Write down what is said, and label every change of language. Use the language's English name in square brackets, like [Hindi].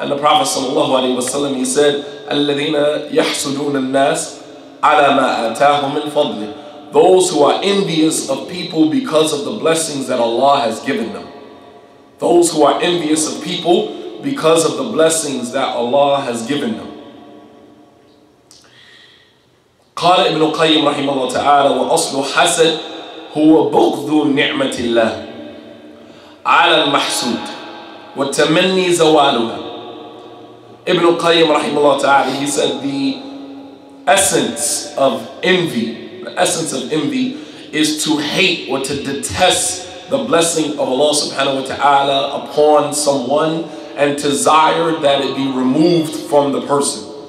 [English] And the Prophet sallallahu alaihi wasallam, he said, [Arabic] Alladhina yahsudun an-nas ala ma atahum min fadli. [English] Those who are envious of people because of the blessings that Allah has given them. Those who are envious of people because of the blessings that Allah has given them. [Arabic] قال ابن القيم رحمه الله تعالى وأصل حسد هو بغض نعمة الله على المحسود والتمني زواله [English] Ibn al-Qayyim rahimahullah ta'ala, he said the essence of envy, the essence of envy is to hate or to detest the blessing of Allah subhanahu wa ta'ala upon someone and desire that it be removed from the person.